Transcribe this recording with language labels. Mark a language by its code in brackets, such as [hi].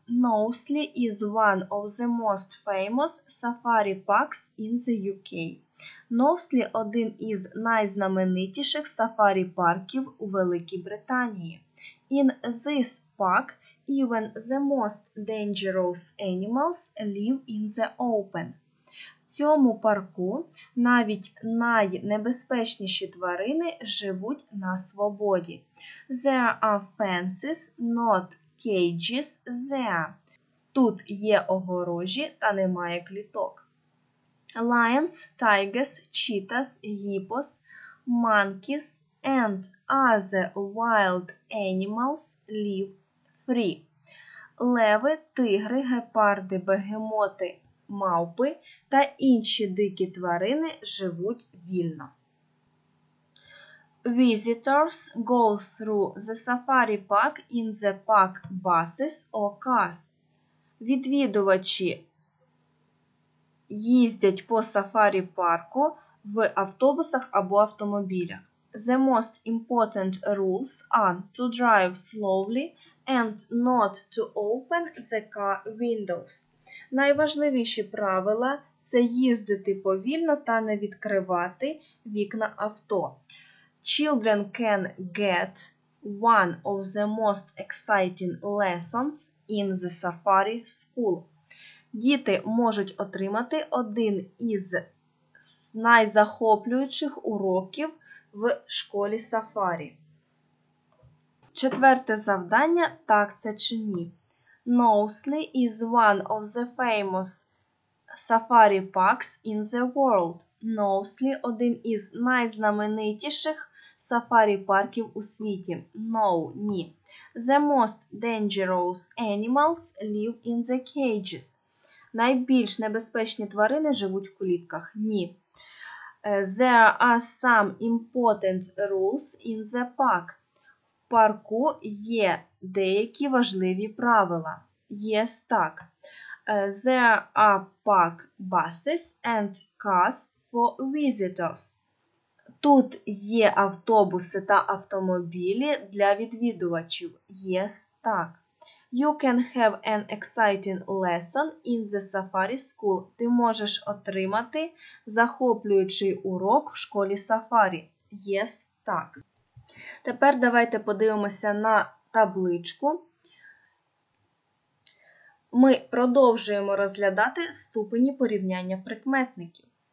[en] Knowsley is one of the most famous safari parks in the UK. [uk] Knowsley – один із найзнаменитіших сафарі-парків у Великій Британії. [en] In this park, even the most dangerous animals live in the open. [uk] В цьому парку навіть найнебезпечніші тварини живуть на свободі. [en] There are fences, not cages there. [uk] Тут є огорожі та немає кліток. [en] Lions, tigers, cheetahs, hippos, monkeys and other wild animals live free. [uk] Леви, тигри, гепарди, бегемоти, мавпи та інші дикі тварини живуть вільно. [en] Visitors go through the safari park in the park buses or cars. [uk] Відвідувачі їздять по сафарі-парку в автобусах або автомобілях. [en] The most important rules are to drive slowly and not to open the car windows. [uk] Найважливіші правила – це їздити повільно та не відкривати вікна авто. [en] Children can get one of the most exciting lessons in the safari school. [uk] Діти можуть отримати один із найзахоплюючих уроків в школі сафарі. Четверте завдання – так це чи ні? [en] Knowsley is one of the famous safari parks in the world. [uk] Knowsley – один із найзнаменитіших сафарі-парків у світі. [en] No – [uk] ні. [en] The most dangerous animals live in the cages. [uk] Найбільш небезпечні тварини живуть в клітках? Ні. [en] There are some important rules in the park. [uk] парку є деякі важливі правила. [en] Yes, [uk] так. [en] There are park buses and cars for visitors. [uk] Тут є автобуси та автомобілі для відвідувачів. [en] Yes, [uk] так. [en] You can have an exciting lesson in the safari school. [uk] Ти можеш отримати захоплюючий урок в школі сафарі. [en] Yes, [uk] так. Тепер давайте подивимося на табличку. Ми продовжуємо розглядати ступені порівняння прикметників.